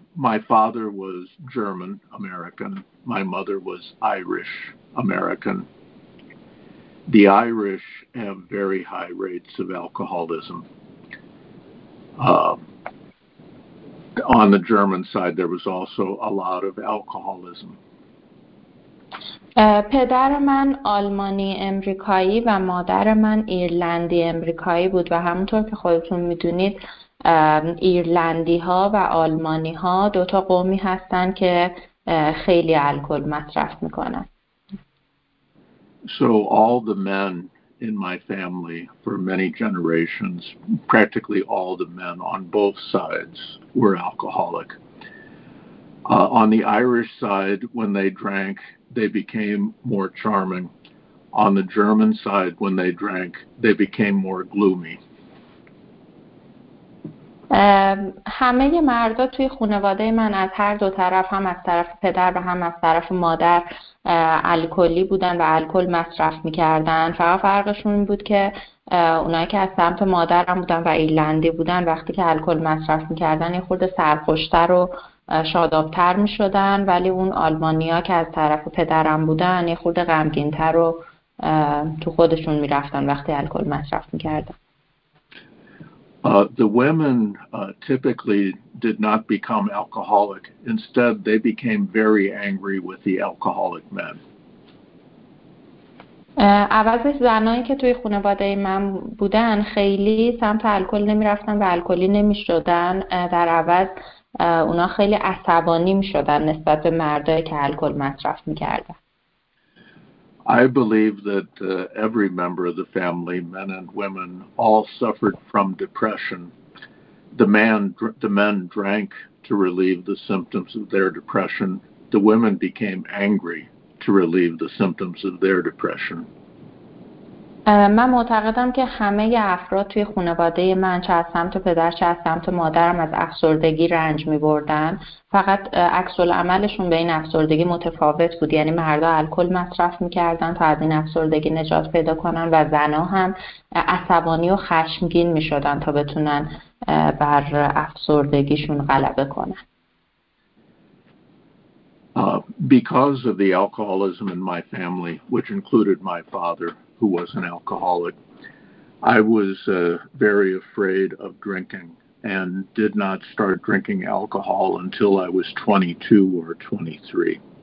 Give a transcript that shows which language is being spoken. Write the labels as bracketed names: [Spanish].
[English] My father was German American. My mother was Irish American. The Irish have very high rates of alcoholism. On the German side, there was also a lot of alcoholism. [Persian] پدر من آلمانی امریکایی و مادر من ایرلندی امریکایی بود و همونطور که خودتون میدونید ایرلندی ها و آلمانی ها دو تا قومی هستن که خیلی الکل مصرف میکنن. [English] So all the men in my family for many generations, practically all the men on both sides were alcoholic. On the Irish side, when they drank, they became more charming. On the German side, when they drank, they became more gloomy. [Persian] همه مردا توی خانواده من از هر دو طرف، هم از طرف پدر و هم از طرف مادر، الکلی بودن و الکل مصرف میکردن. فقط فرقشون بود که اونایی که از سمت مادرم بودن و ایرلندی بودن، وقتی که الکل مصرف میکردن یه خورده سرخوشتر و شادابتر میشدن، ولی اون آلمانی ها که از طرف پدرم بودن یه خورده غمگینتر و تو خودشون میرفتن وقتی الکل مصرف میکردن. [English] The women typically did not become alcoholic. Instead, they became very angry with the alcoholic men. [Persian] عوضش زنانی که توی خانواده من بودن خیلی سمت الکل نمی رفتن و الکلی نمی شدن. در عوض اونا خیلی عصبانی می شدن نسبت به مردایی که الکل مصرف می کردن. [English] I believe that every member of the family, men and women, all suffered from depression. The men drank to relieve the symptoms of their depression. The women became angry to relieve the symptoms of their depression. [Persian] من معتقدم که همه افراد توی خانواده من، چه از سمت پدر چه از سمت مادرم، از افسردگی رنج می بردن. فقط عکس العملشون به این افسردگی متفاوت بود. یعنی مردا الکل مصرف می کردن تا از این افسردگی نجات پیدا کنن و زنا هم عصبانی و خشمگین می شدن تا بتونن بر افسردگیشون غلبه کنن. [English] Because of the alcoholism in my family, which included my father, who was an alcoholic, I was very afraid of drinking and did not start drinking alcohol until I was 22 or 23.